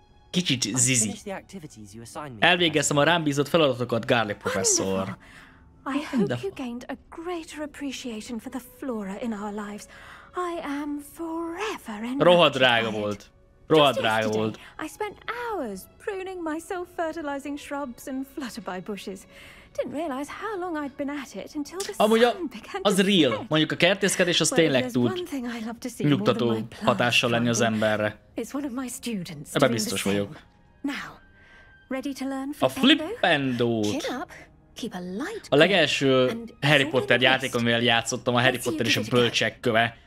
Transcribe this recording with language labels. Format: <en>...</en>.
<hu>Kicsit zizi. Elvégeztem a rám bízott feladatokat, Garlic professzor.</hu> <en>I hope you gained a greater appreciation for the flora in our lives. I am forever enraged.</en> <hu>Rohadt drága volt. Rohadt drága volt.</hu> <en>I spent hours pruning my self-fertilizing shrubs and flutterby bushes. Didn't realize how long I'd been at it until the sun began to set.</en> <hu>Az real. Mondjuk a kertészkedés az tényleg tud nyugtató hatással lenni az emberre. Ebben biztos vagyok.</hu> <en>Now, ready to learn from a Flippendót.</en> <hu>A legelső Harry Potter játék, amivel játszottam, a Harry Potter és a bölcsek köve.</hu>